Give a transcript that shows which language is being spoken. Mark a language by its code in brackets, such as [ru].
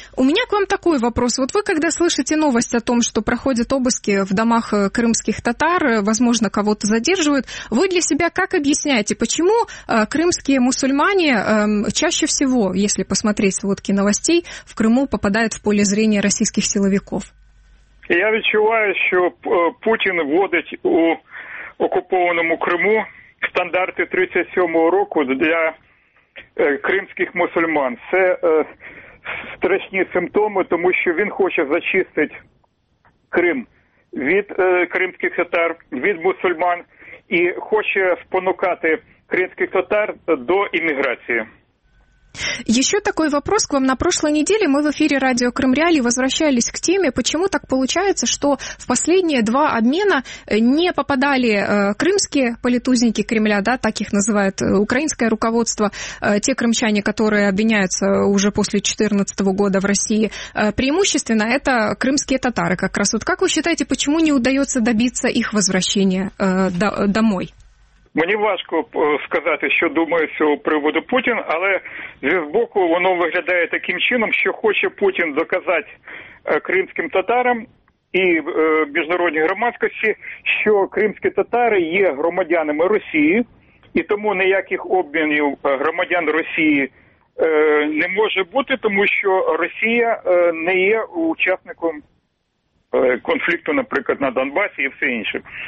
[ru] У меня к вам такой вопрос. Вот вы, когда слышите новость о том, что проходят обыски в домах крымских татар, возможно, кого-то задерживают, вы для себя как объясняете, почему крымские мусульмане чаще всего, если посмотреть сводки новостей, в Крыму попадают в поле зрения российских силовиков? [uk] Я відчуваю, що Путін вводить у окупованому Криму стандарти 37-го року для кримських мусульман. Це страшні симптоми, тому що він хоче зачистити Крим від кримських татар, від мусульман, і хоче спонукати кримських татар до імміграції. [ru] Еще такой вопрос к вам. На прошлой неделе мы в эфире радио «Крым Реали» возвращались к теме, почему так получается, что в последние два обмена не попадали крымские политузники Кремля, да, так их называют украинское руководство, те крымчане, которые обвиняются уже после 2014 года в России. Преимущественно это крымские татары как раз. Вот как вы считаете, почему не удается добиться их возвращения домой? [uk] Мені важко сказати, що думає з цього приводу Путін, але зі збоку воно виглядає таким чином, що хоче Путін доказати кримським татарам і міжнародній громадськості, що кримські татари є громадянами Росії, і тому ніяких обмінів громадян Росії не може бути, тому що Росія не є учасником конфлікту, наприклад, на Донбасі і все інше.